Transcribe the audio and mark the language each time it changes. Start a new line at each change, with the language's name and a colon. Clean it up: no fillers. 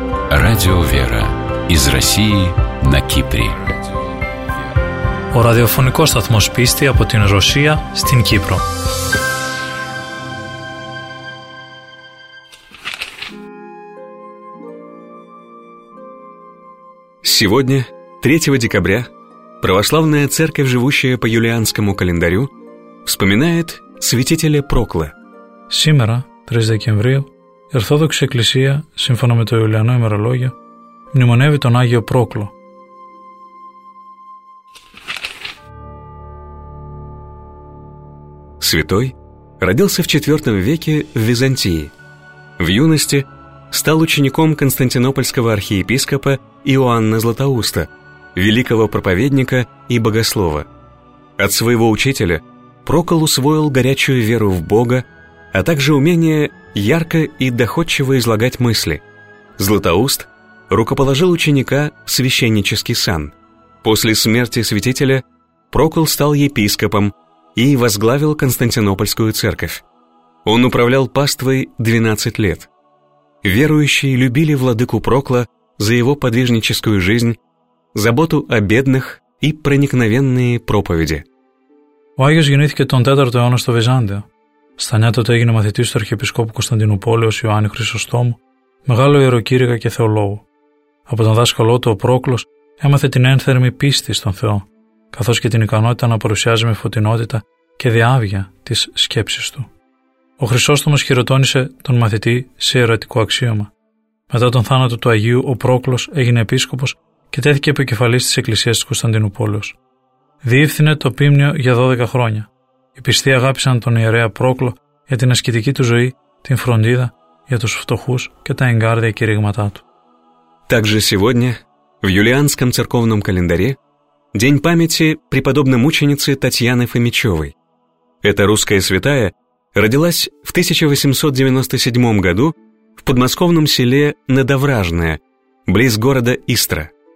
Russian: Радио «Вера» из России на Кипре.
Greek: Ο ραδιοφωνικός σταθμός πίστη από την Ρωσία στην Κύπρο.
Russian: Сегодня, 3 декабря, православная церковь, живущая по юлианскому календарю, вспоминает святителя Прокла. Сегодня,
Greek: 3 декабря, η Ορθόδοξη Εκκλησία, σύμφωνα με το Ιουλιανό ημερολόγιο, μνημονεύει τον Άγιο Πρόκλο.
Russian: Святой родился в 4 веке в Византии. В юности стал учеником константинопольского архиепископа Иоанна Златоуста, великого проповедника и богослова. От своего учителя Прокл усвоил горячую веру в Бога, а также умение ярко и доходчиво излагать мысли. Златоуст рукоположил ученика в священнический сан. После смерти святителя Прокл стал епископом и возглавил Константинопольскую церковь. Он управлял паствой 12 лет. Верующие любили владыку Прокла за его подвижническую жизнь, заботу о бедных и проникновенные проповеди.
Greek: Ο Άγιος γεννήθηκε τον 4ο αιώνα στο Βυζάντιο. Στα νιάτα έγινε μαθητής του αρχιεπισκόπου Κωνσταντινούπολεως Ιωάννη Χρυσοστόμου, μεγάλο ιεροκήρυγα και θεολόγου. Από τον δάσκαλό του ο Πρόκλος έμαθε την ένθερμη πίστη στον Θεό, καθώς και την ικανότητα να παρουσιάζει με φωτεινότητα και διάβια τις σκέψεις του. Ο Χρυσόστομος χειροτώνησε τον μαθητή σε ιερατικό αξίωμα. Μετά τον θάνατο του Αγίου, ο Πρόκλος έγινε επίσκοπος και τέθηκε επικεφαλής της Εκκλησίας της Κωνσταντινούπολεως. Διεύθυνε το πίμνιο για 12 χρόνια. Οι πιστοί αγάπησαν τον ιερέα Πρόκλο για την ασκητική του ζωή, την φροντίδα για τους φτωχούς και τα εγκάρδια κηρύγματά του.
Russian: Также сегодня в юлианском церковном календаре день памяти преподобномученицы Татьяны Фомичевой. Эта русская святая родилась в 1897 году в подмосковном селе Надовражное, близ города Истра.